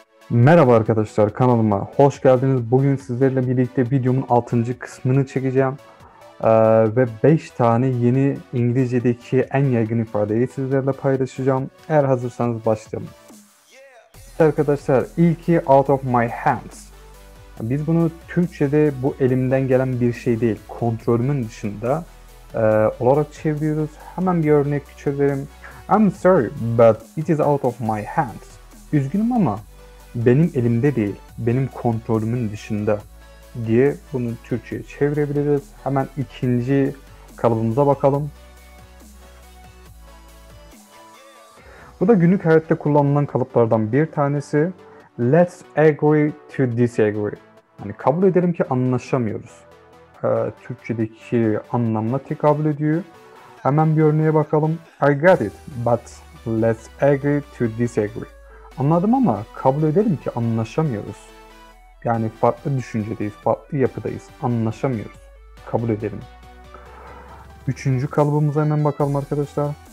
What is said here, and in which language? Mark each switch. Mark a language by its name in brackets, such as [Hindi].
[Turkish] Merhaba arkadaşlar, kanalıma hoş geldiniz. Bugün sizlerle birlikte videomun 6. kısmını çekeceğim. Ve 5 tane yeni İngilizce'deki en yaygın ifadeyi sizlerle paylaşacağım. Eğer hazırsanız başlayalım. Arkadaşlar, ilki [English] out of my hands. [Turkish] Biz bunu Türkçe'de bu elimden gelen bir şey değil, kontrolümün dışında olarak çeviriyoruz. Hemen bir örnek çözelim. [English] I'm sorry, but it is out of my hands. [Turkish] Üzgünüm ama benim elimde değil, benim kontrolümün dışında diye bunu Türkçe'ye çevirebiliriz. Hemen ikinci kalıbımıza bakalım. Bu da günlük hayatta kullanılan kalıplardan bir tanesi. [English] Let's agree to disagree. [Turkish] Yani kabul edelim ki anlaşamıyoruz. Türkçedeki anlamla tekabül ediyor. Hemen bir örneğe bakalım. [English] I got it, but let's agree to disagree. [Turkish] Anladım ama kabul edelim ki anlaşamıyoruz. Yani farklı düşüncedeyiz, farklı yapıdayız. Anlaşamıyoruz. Kabul edelim. Üçüncü kalıbımıza hemen bakalım arkadaşlar.